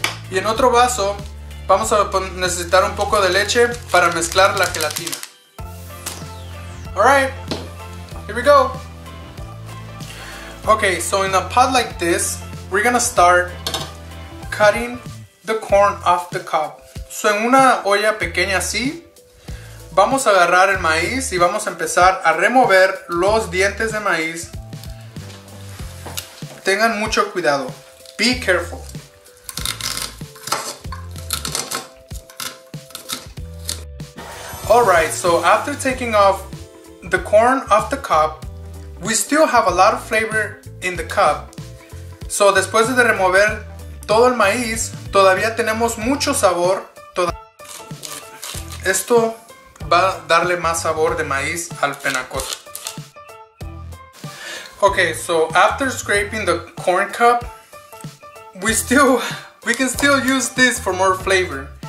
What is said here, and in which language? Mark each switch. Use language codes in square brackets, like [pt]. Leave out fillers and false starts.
[es] Y en otro vaso, vamos a necesitar un poco de leche para mezclar la gelatina. [en] Alright, here we go. Okay, so in a pot like this, we're gonna start cutting the corn off the cob. [es] So en una olla pequeña así, vamos a agarrar el maíz y vamos a empezar a remover los dientes de maíz. Tengan mucho cuidado. [en] Be careful. Alright, so after taking off the corn off the cob, we still have a lot of flavor in the cup. [es] So, después de remover todo el maíz, todavía tenemos mucho sabor. Esto va a darle más sabor de maíz al panna cotta. [en] Okay, so after scraping the corn cup, we can still use this for more flavor.